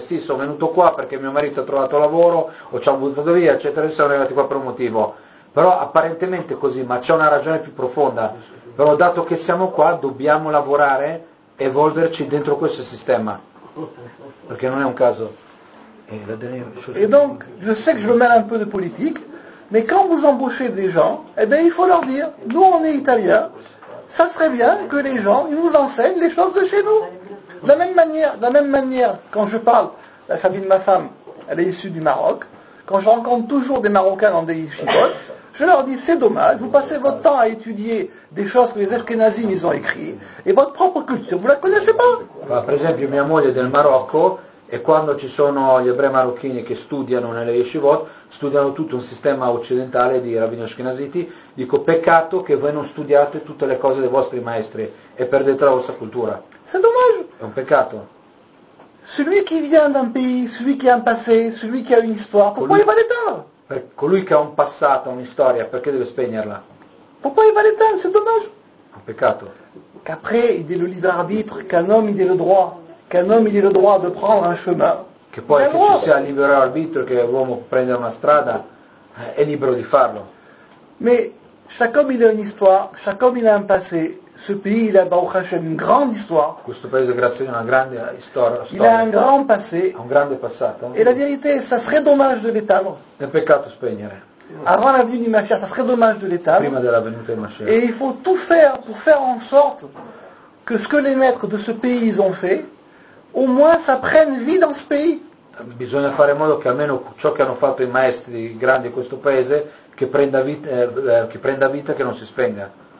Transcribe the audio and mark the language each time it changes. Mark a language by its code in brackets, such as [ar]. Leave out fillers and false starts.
[it] Sì, sono venuto qua perché mio marito ha trovato lavoro o ci ha buttato via, eccetera, sono arrivati qua per un motivo. Però apparentemente così, ma c'è una ragione più profonda. Però dato che siamo qua, dobbiamo lavorare, evolverci dentro questo sistema. Perché non è un caso. [fr] E donc, je sais que je mêle un peu de politique. Mais quand vous embauchez des gens, eh bien il faut leur dire, nous on est italiens, ça serait bien que les gens ils nous enseignent les choses de chez nous. De la même manière, quand je parle, la famille de ma femme, elle est issue du Maroc, quand je rencontre toujours des Marocains dans des yeshivot, je leur dis, c'est dommage, vous passez votre temps à étudier des choses que les Ashkenazim ils ont écrites, et votre propre culture, vous ne la connaissez pas. Par exemple, [it] ma moglie [fr] est du Maroc. [it] E quando ci sono gli ebrei marocchini che studiano nelle yeshivot, studiano tutto un sistema occidentale di rabbini ashkenaziti, dico peccato che voi non studiate tutte le cose dei vostri maestri e perdete la vostra cultura. [fr] C'est dommage. [it] È un peccato. [fr] Celui qui vient d'un pays, celui qui a un passé, celui qui a une histoire, pourquoi il va l'éteindre? [it] Colui che ha un passato, un'istoria, perché deve spegnerla? [fr] Pourquoi il va l'éteindre? C'est dommage. [it] È un peccato. [fr] Qu'après il ait le libre arbitre, qu'un homme il ait le droit. Qu'un homme ait le droit de prendre un chemin. [it] Che poi che ci sia libero arbitrio, che l'uomo può prendere una strada, è libero di farlo. [fr] Mais chaque homme il a une histoire, chaque homme il a un passé. Ce pays il a Baruch Hashem une grande histoire. [it] Questo paese grazie a una grande storia. [fr] Il a un grand passé. [it] Un grande passato. [fr] Et la vérité, ça serait dommage de l'éteindre. [it] È peccato spegnere. [fr] Avant la venue du Mashiach, ça serait dommage de l'éteindre. [it] Prima della venuta del Mashiach. [fr] Et il faut tout faire pour faire en sorte que ce que les maîtres de ce pays ont fait. Au moins ça prenne vie dans ce pays. [it] Bisogna fare in modo che almeno ciò che hanno fatto i maestri grandi di questo paese che prenda vita, che non si spenga.